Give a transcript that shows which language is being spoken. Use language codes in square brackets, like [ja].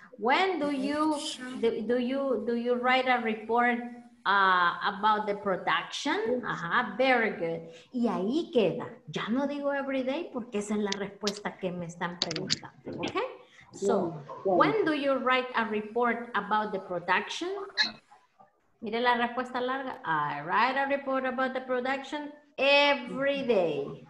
[en] When do you write a report about the production? [es] Ajá, [en] very good. [es] Y ahí queda. Ya no digo [en] every day [es] porque esa es la respuesta que me están preguntando, ¿ok? [en] So, when do you write a report about the production? [es] Mire la respuesta larga. [en] I write a report about the production every day.